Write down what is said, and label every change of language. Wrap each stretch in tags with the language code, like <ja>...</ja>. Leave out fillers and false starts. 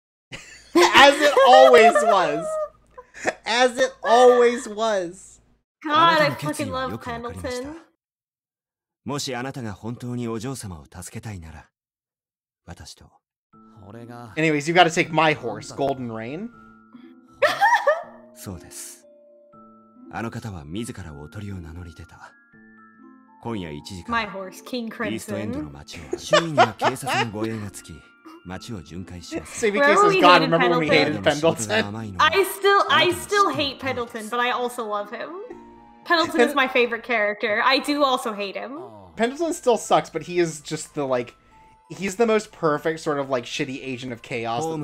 <en>As it always was. As it always was. God, I fucking love Pendleton.</en> <ja>もしあなたが本当にお嬢様を助けたいなら、私と。</ja> <en>Anyways, you gotta take my horse, Golden Rain.</en> <ja>そうです。あの方は自らおとりを名乗り出た。今夜1時から、</ja> <en>My horse, King Crimson.</en> <ja>イーストエンドの街を、周囲には警察の護衛がつき、街を巡回します</ja> <en>CBK says, God, remember when we hated Pendleton? I still hate Pendleton, but I also love him. Pendleton is my favorite character. I do also hate him. Pendleton still sucks, but he is just the, like, he's the most perfect sort of, like, shitty agent of chaos.</en>